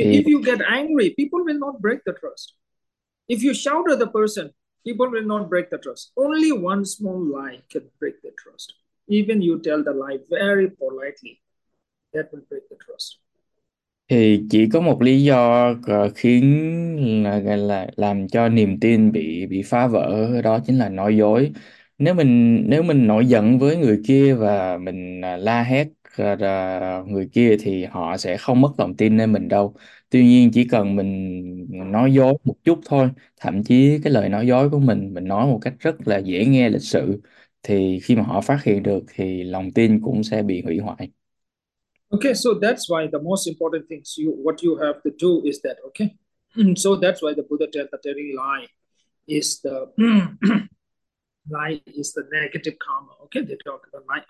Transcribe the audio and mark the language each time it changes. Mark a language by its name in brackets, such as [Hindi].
[English] If you get angry, people will not break the trust. If you shout at the person, people will not break the trust. Only one small lie can break the trust. Even you tell the lie very politely, that will break the trust. [Vietnamese] Thì chỉ có một lý do khiến là làm cho niềm tin bị phá vỡ, đó chính là nói dối. Nếu mình nổi giận với người kia và mình la hét người kia thì họ sẽ không mất lòng tin lên mình đâu. Tuy nhiên chỉ cần mình nói dối một chút thôi, thậm chí cái lời nói dối của mình nói một cách rất là dễ nghe, lịch sự, thì khi mà họ phát hiện được thì lòng tin cũng sẽ bị hủy hoại. [English] Okay, so that's why the most important things what you have to do is that, okay? So that's why the Buddha tells that every lie is the lie is the negative karma. Okay, they talk about lie.